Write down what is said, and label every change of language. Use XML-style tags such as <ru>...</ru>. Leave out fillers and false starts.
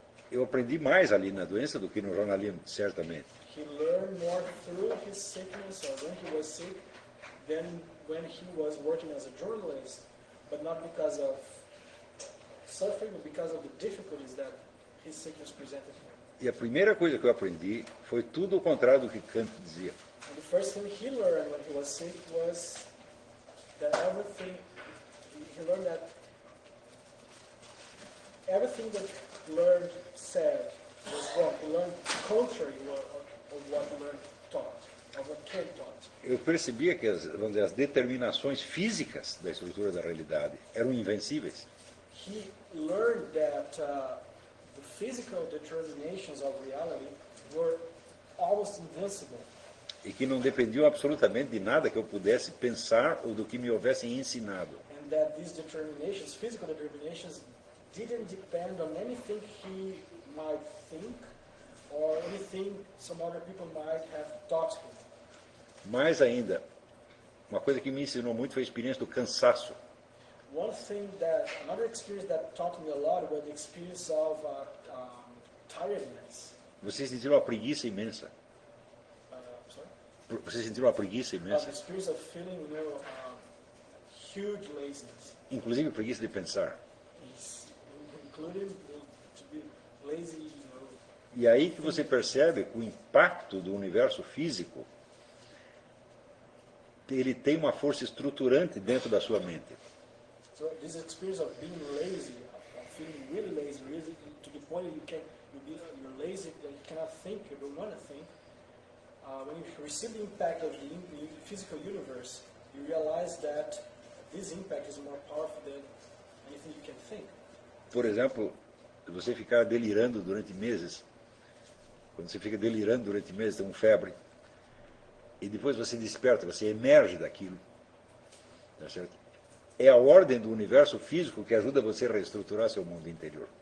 <pt>Eu aprendi mais ali na doença do que no jornalismo, certamente.</pt> <en>He learned more through his sickness or when he was sick than when he was working as a journalist, but not because of suffering, but because of the difficulties that his sickness presented him.</en> <pt>E a primeira coisa que eu aprendi foi tudo o contrário do que Kant dizia.</pt> <en>And the first thing he learned when he was sick was that everything, he learned that everything that learned said was wrong. He learned contrary of what learned taught, of what Kant taught.</en> <pt>Eu percebia que as, vamos dizer, as determinações físicas da estrutura da realidade eram invencíveis.</pt> <en>He learned that the physical determinations of reality were almost invincible.</en> <pt>E que não dependiam absolutamente de nada que eu pudesse pensar ou do que me houvessem ensinado.</pt> <en>And that these determinations, physical determinations, didn't depend on anything he might think or anything some other people might have taught him.</en> <pt>Mais ainda, uma coisa que me ensinou muito foi a experiência do cansaço.</pt> <en>One thing that, another experience that taught me a lot was the experience of tiredness.</en> <pt>Você sentiu uma preguiça imensa? Você sentiu uma preguiça imensa?</pt> <en>The experience of feeling, you know, huge laziness.</en> <pt>Inclusive preguiça de pensar.</pt> <en>Including, to be lazy, you know.</en> <pt>E aí que você percebe o impacto do universo físico. Ele tem uma força estruturante dentro da sua mente.</pt> <en>So this experience of being lazy, of feeling really lazy, really, to the point that you can, you're lazy, you cannot think, you don't want to think. When you receive the impact of the physical universe, you realize that this impact is more powerful than anything you can think.</en> <pt>Por exemplo, você ficar delirando durante meses. Quando você fica delirando durante meses, tem uma febre. E depois você desperta, você emerge daquilo. Tá certo? É a ordem do universo físico que ajuda você a reestruturar seu mundo interior.</pt>